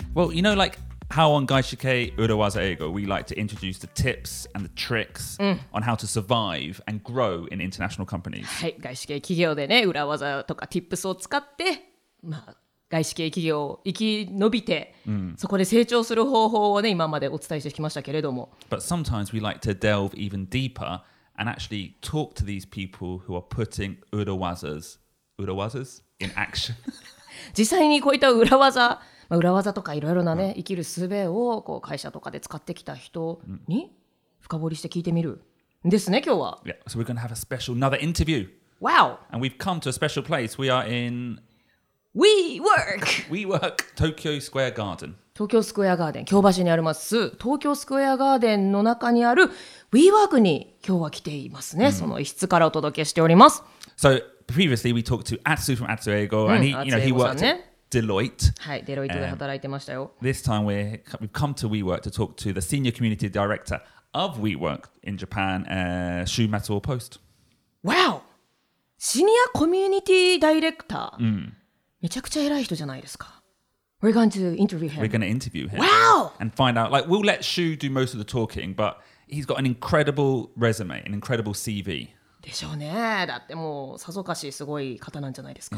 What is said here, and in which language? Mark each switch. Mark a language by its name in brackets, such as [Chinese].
[English] Well, you know, like how on Gaishike Urawaza Eigo, we like to introduce the tips and the tricks on how to survive and grow in international companies. [Japanese] はい、外資系企業でね、裏技とかティップスを使って、まあ、外資系企業を生き延びて、そこで成長する方法をね、今までお伝えしてきましたけれども。 [English] But sometimes we like to delve even deeper and actually talk to these people who are putting Urawazas in action. [Japanese] 実際にこういった裏技、まあ、裏技とかいろいろなね、生きる術をこう会社とかで使ってきた人に深掘りして聞いてみるんですね、今日は。 [English] Yeah, so we're going to have a special, another interview. Wow! And we've come to a special place. We are in... WeWork! WeWork, Tokyo Square Garden. [Japanese] Tokyo Square Garden, 京橋にあります Tokyo Square Garden の中にある WeWork に今日は来ていますね、その一室からお届けしております。 [English] So, previously we talked to Atsu from Atsu Eigo, and he worked at... Deloitte. [Japanese] はい、デロイトで働いてましたよ。 [English] This time we've come to WeWork to talk to the senior community director of WeWork in Japan, Shu Matsuo Post. Wow! [Japanese] シニアコミュニティダイレクター。めちゃくちゃ偉い人じゃないですか。 [English] We're going to interview him. We're going to interview him. Wow! And find out, like, we'll let Shu do most of the talking, but he's got an incredible resume, an incredible CV. [Japanese] でしょうね。だってもうさぞかしすごい方なんじゃないですか。